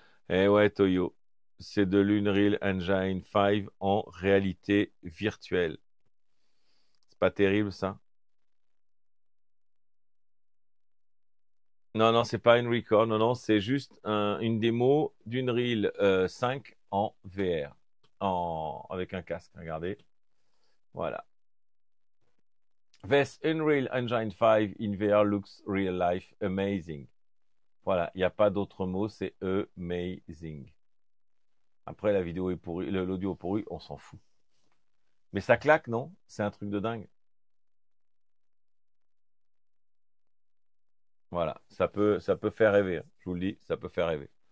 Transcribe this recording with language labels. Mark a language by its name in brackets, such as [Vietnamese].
[French] Eh ouais, Toyo. C'est de l'Unreal Engine 5 en réalité virtuelle. C'est pas terrible, ça? Non, non, c'est pas une record. Non, non, c'est juste une démo d'Unreal 5 en VR. Avec un casque, regardez. Voilà. [English] This Unreal Engine 5 in VR looks real life amazing. [French] Voilà, il n'y a pas d'autre mot, c'est amazing. Après, la vidéo est pourrie, l'audio est pourri, on s'en fout. Mais ça claque, non? C'est un truc de dingue. Voilà, ça peut faire rêver. Je vous le dis, ça peut faire rêver.